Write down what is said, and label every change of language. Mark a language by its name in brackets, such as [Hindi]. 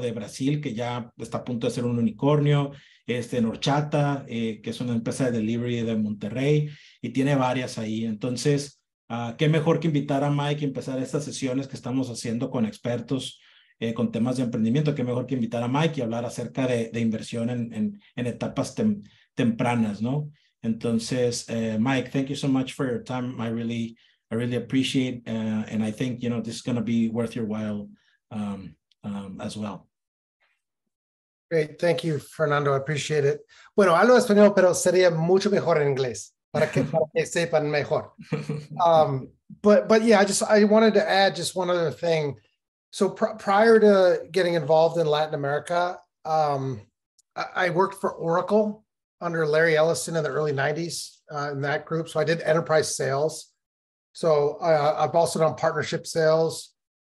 [Spanish] De Brasil, que ya está a punto de ser un unicornio, en Horchata, que es una empresa de delivery de Monterrey, y tiene varias ahí. Entonces, qué mejor que invitar a Mike y empezar estas sesiones que estamos haciendo con expertos, con temas de emprendimiento. Qué mejor que invitar a Mike y hablar acerca de inversión en etapas tempranas, ¿no? [English] Entonces, Mike, thank you so much for your time. I really appreciate, and I think, this is going to be worth your while as well. Great, thank you, Fernando. I appreciate it. [Spanish] Bueno, hablo español, pero sería mucho mejor en inglés para que sepan mejor. [English] But yeah, I wanted to add just one other thing. So prior to getting involved in Latin America, I worked for Oracle under Larry Ellison in the early 90s in that group. So I did enterprise sales. So I've also done partnership sales.